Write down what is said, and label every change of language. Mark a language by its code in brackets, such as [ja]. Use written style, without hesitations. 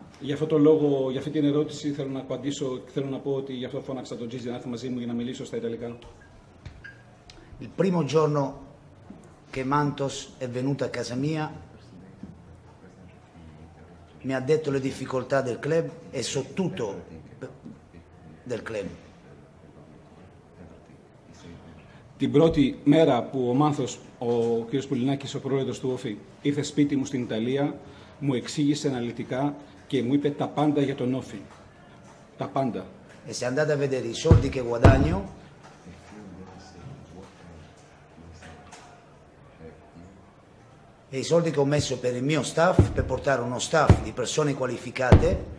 [el] Για αυτό το λόγο, για αυτή την ερώτηση, θέλω να απαντήσω, θέλω να πω ότι για αυτό φώναξα τον Gigi να έρθει μαζί μου για να μιλήσω στα ιταλικά. [it] Il primo giorno che Mantos è venuto a casa mia mi ha detto le difficoltà del club e soprattutto del club. [el] Την πρώτη μέρα που ο Μάνθος, ο κύριος Πουλινάκης, ο πρόεδρος του ΟΦΗ, ήρθε σπίτι μου στην Ιταλία, μου εξήγησε αναλυτικά και μου είπε τα πάντα για τον ΟΦΗ. Τα πάντα. [it] E se andate a vedere i soldi che guadagno, e i soldi che ho messo per il mio staff, per portare uno staff di persone qualificate,